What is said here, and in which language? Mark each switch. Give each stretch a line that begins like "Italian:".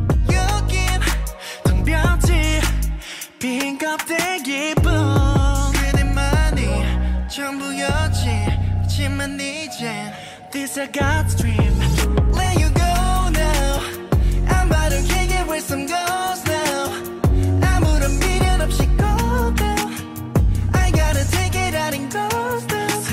Korean: 여긴 텅빈지 빈 껍데기 뿐. 그대만이 전부였지.
English: 하지만 이젠 this I got a dream. Let you go now. I'm about to kick it with some ghosts now.
Korean: 아무런 미련 없이 go down.
English: I gotta take it out in ghosts now.